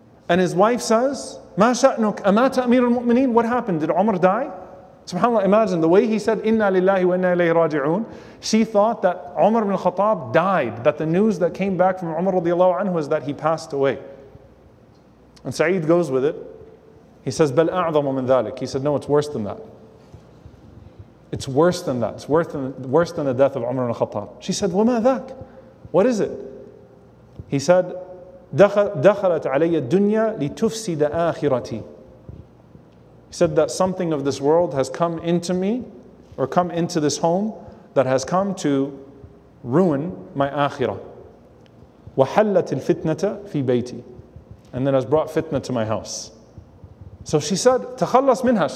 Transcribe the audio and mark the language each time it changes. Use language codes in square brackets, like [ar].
[en] And his wife says, [ar] مَا شَأْنُكَ أَمَاتَ أَمِيرُ الْمُؤْمِنِينَ. [en] What happened? Did Umar die? SubhanAllah, imagine the way he said, [ar] إِنَّا لِلَّهِ وَإِنَّا إِلَيْهِ رَاجِعُونَ. [en] She thought that Umar ibn al-Khattab died, that the news that came back from Umar radiallahu anhu is that he passed away. And Saeed goes with it. He says, [ar] بَلْ أَعْظَمُ مِنْ ذَلِكَ. [en] He said, no, it's worse than that. It's worse than that. It's worse than the death of Umar ibn al-Khattab. She said, [ar] وَمَا ذَاكَ. [en] What is it? He said, [ar] دَخَلَتْ عَلَيَّ الدُّنْيَا لِتُفْسِدَ آخِرَتِي. [en] He said that something of this world has come into me, or come into this home, that has come to ruin my akhirah. [ar] وَحَلَّتِ الْفِتْنَةَ فِي بَيْتِي. [en] And then has brought fitna to my house. So she said, [ar] تَخَلَّصْ مِنْهَا.